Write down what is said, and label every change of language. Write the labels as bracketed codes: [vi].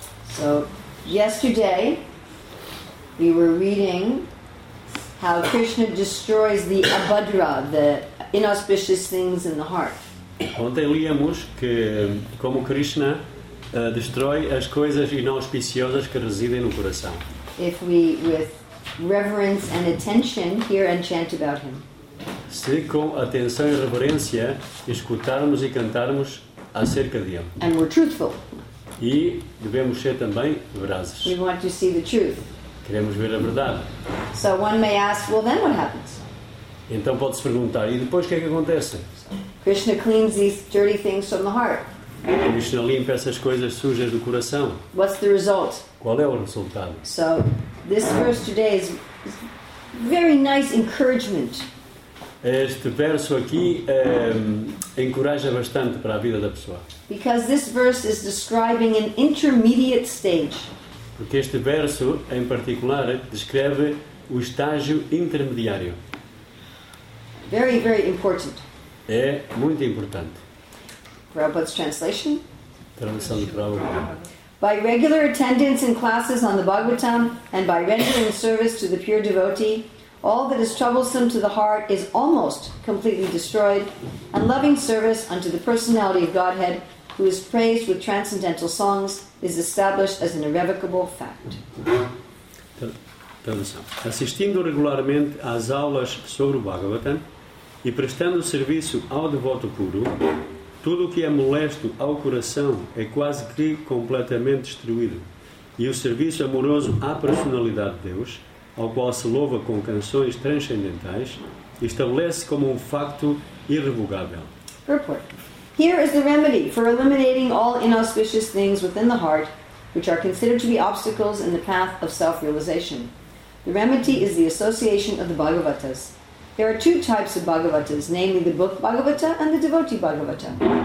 [en] So, yesterday, we were reading how Krishna destroys the Abhadra, the inauspicious things in the heart. [pt] Ontem liamos que como Krishna destrói as coisas inauspiciosas que residem no coração. [en] If we with reverence and attention hear and chant about him. [pt] Se com atenção e reverência escutarmos e cantarmos acerca dele. [en] And we're truthful. [pt] E devemos ser também verazes. [en] We want to see the truth. [pt] Queremos ver a verdade. [en] So one may ask, well then what happens? [pt] Então pode-se perguntar, e depois o que é que acontece? [en] Krishna cleans these dirty things from the heart. [pt] Krishna limpa essas coisas sujas do coração. [en] What's the result? [pt] Qual é o resultado? [en] So, this verse today is very nice encouragement. [pt] Este verso aqui encoraja bastante para a vida da pessoa. [en] Because this verse is describing an intermediate stage. [pt] Porque este verso, em particular, descreve o estágio intermediário. [en] Very, very important. [pt] É muito importante. [en] Prabhupada's translation. [pt] Tradução de Prabhupada. [en] By regular attendance in classes on the Bhagavatam and by rendering service to the pure devotee, all that is troublesome to the heart is almost completely destroyed, and loving service unto the personality of Godhead, who is praised with transcendental songs, is established as an irrevocable fact. [pt] Assistindo regularmente às aulas sobre o Bhagavatam e prestando serviço ao devoto puro, tudo o que é molesto ao coração é quase que completamente destruído, e o serviço amoroso à personalidade de Deus, ao qual se louva com canções transcendentais, estabelece como um facto irrevogável. [en] Purport. Here is the remedy for eliminating all inauspicious things within the heart, which are considered to be obstacles in the path of self-realization. The remedy is the association of the Bhagavatas. There are two types of Bhagavatas, namely the book Bhagavata and the devotee Bhagavata.